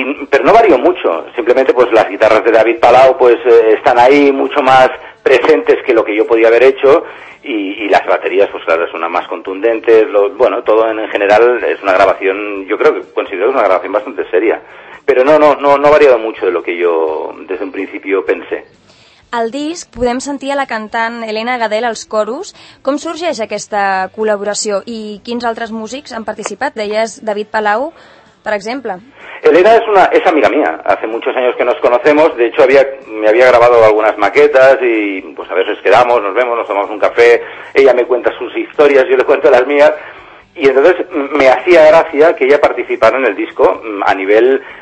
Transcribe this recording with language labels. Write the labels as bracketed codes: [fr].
[es] Pero no varió mucho, simplemente pues las guitarras de David Palau pues están ahí mucho más presentes que lo que yo podía haber hecho y las baterías pues claro, suenan más contundentes, bueno, todo en general es una grabación, yo creo que considero una grabación bastante seria. Pero no ha variado mucho de lo que yo desde un principio pensé. [ca] Al disc podem sentir a la cantant Elena Gadel als coros. Com sorgeix aquesta col·laboració i quins altres músics han participat? Deies David Palau, per exemple. [es] Elena és amiga mía. Hace muchos años que nos conocemos. De hecho, me había grabado algunas maquetas y pues a veces quedamos, nos vemos, nos tomamos un café. Ella me cuenta sus historias, yo le cuento las mías. Y entonces me hacía gracia que ella participara en el disco a nivel...